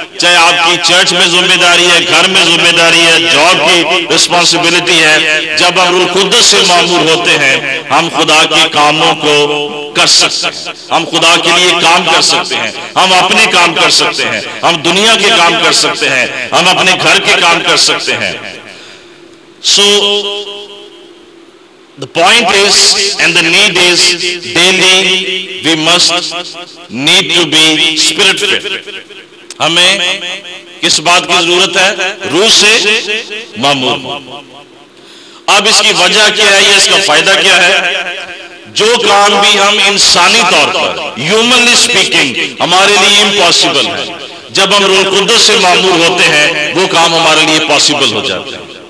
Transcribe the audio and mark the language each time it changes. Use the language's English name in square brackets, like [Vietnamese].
[Urdu] چاہے آپ کی چرچ میں ذمہ داری ہے, گھر میں ذمہ داری ہے, جاب کی رسپانسبلٹی ہے, جب ہم روح القدس سے معمور ہوتے ہیں ہم خدا کے کاموں کو کر سکتے ہیں, ہم خدا کے لیے کام کر سکتے ہیں, ہم اپنے کام کر سکتے ہیں, ہم دنیا کے کام کر سکتے ہیں, ہم اپنے گھر کے کام کر سکتے ہیں. [English] So the point is and the need is daily we must need to be spirit fit. [Urdu] ہمیں کس بات کی ضرورت ہے؟ روح سے معمور. اب اس کی وجہ کیا ہے یا اس کا فائدہ کیا ہے؟ جو کام بھی ہم انسانی طور پر [English] humanly speaking [Urdu] ہمارے لیے امپاسیبل ہے, جب ہم روح القدس سے معمور ہوتے ہیں وہ کام ہمارے لیے پاسیبل ہو جاتے ہیں.